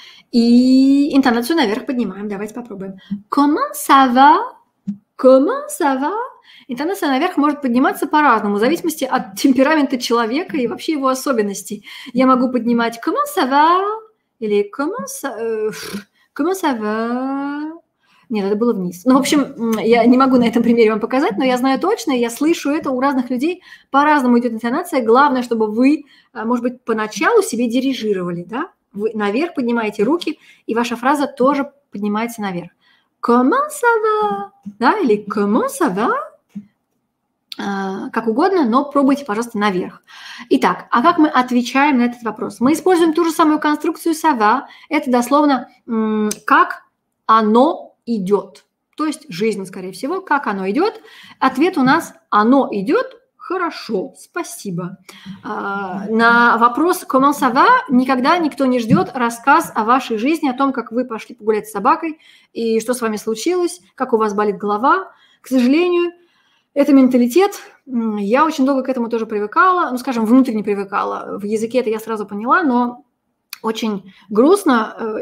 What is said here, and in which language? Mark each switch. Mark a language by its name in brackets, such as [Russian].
[Russian] И интонацию наверх поднимаем. [French] Давайте попробуем. «Comment ça va?» «Comment ça va?» [Russian] Интонация наверх может подниматься по-разному, в зависимости от темперамента человека и вообще его особенностей. Я могу поднимать [French] «Comment ça va?» или «Comment ça va?» [Russian] Нет, это было вниз. Ну, в общем, я не могу на этом примере вам показать, но я знаю точно, я слышу это у разных людей. По-разному идет интонация. Главное, чтобы вы, может быть, поначалу себе дирижировали, да? Вы наверх поднимаете руки, и ваша фраза тоже поднимается наверх. [French] «Comment ça va?» Да, или «Comment ça va?» [Russian] Как угодно, но пробуйте, пожалуйста, наверх. Итак, а как мы отвечаем на этот вопрос? Мы используем ту же самую конструкцию «ça va». Это дословно «как оно идет». То есть жизнь, скорее всего, «как оно идет». Ответ у нас «оно идет хорошо, спасибо». [French] На вопрос «comment ça va?» [Russian] никогда никто не ждет рассказ о вашей жизни, о том, как вы пошли погулять с собакой, и что с вами случилось, как у вас болит голова. К сожалению, это менталитет. Я очень долго к этому тоже привыкала, ну, скажем, внутренне привыкала. В языке это я сразу поняла, но очень грустно.